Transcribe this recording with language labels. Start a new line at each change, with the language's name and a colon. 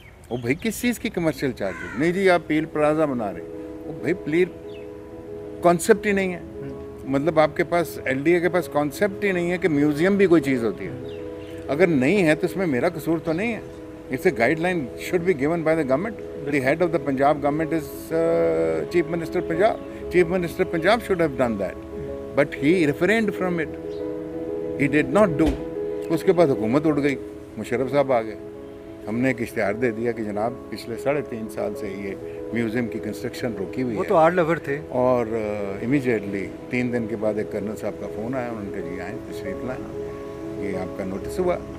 Urdu: وہ بھائی کس چیز کی کمرشل چارجز؟ نہیں جی آپ پیر پلازہ بنا رہے. وہ بھائی پلیر کانسیپٹ ہی نہیں ہے, مطلب آپ کے پاس ایل ڈی اے کے پاس کانسیپٹ ہی نہیں ہے کہ میوزیم بھی کوئی چیز ہوتی ہے. اگر نہیں ہے تو اس میں میرا قصور تو نہیں ہے, اس سے
English: Guideline should be given by the government. The head of the Punjab government is chief minister Punjab. Chief minister Punjab should have done that, but he refrained from it, he did not do.
Urdu: اس کے بعد حکومت اٹھ گئی, مشرف صاحب آ گئے, ہم نے ایک اشتہار دے دیا کہ جناب پچھلے 3.5 سال سے یہ میوزیم کی کنسٹرکشن روکی ہوئی ہے. وہ تو آرٹ لور تھے. اور امیجیٹلی 3 دن کے بعد ایک کرنل صاحب کا فون آیا, انہوں نے کہا جی آئیں تشریف لائیں, یہ آپ کا نوٹس ہوا.